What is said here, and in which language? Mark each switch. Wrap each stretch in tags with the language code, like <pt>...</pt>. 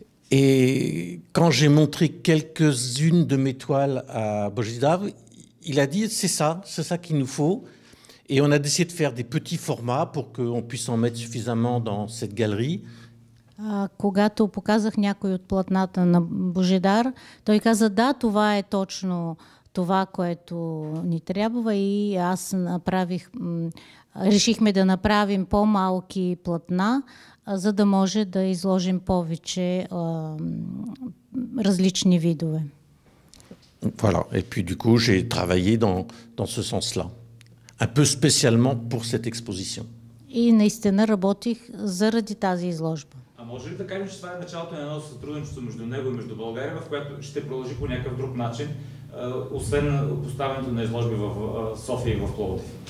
<fr>Et quand j'ai montré quelques-unes de mes toiles à Bojidav, il a dit c'est ça qu'il nous faut. Et on a décidé de faire des petits formats pour qu'on puisse en mettre suffisamment dans cette galerie.</fr> <bg>Когато показах някой от платната на Божедар, той каза да, това е точно това, което ни трябва, и аз направих, решихме да направим по-малки платна, за да може да изложим повече различни видове.</bg> <fr>Voilà. Et puis du coup, j'ai travaillé dans ce sens-là. Un peu spécialement pour cette exposition.</fr> <bg>И наистина работих заради тази изложба. А може ли да кажем, че това е началото на едно сътрудничество между него и между България, в което ще продължи по някакъв друг начин, освен поставянето на изложби в София и в Пловдив?</bg>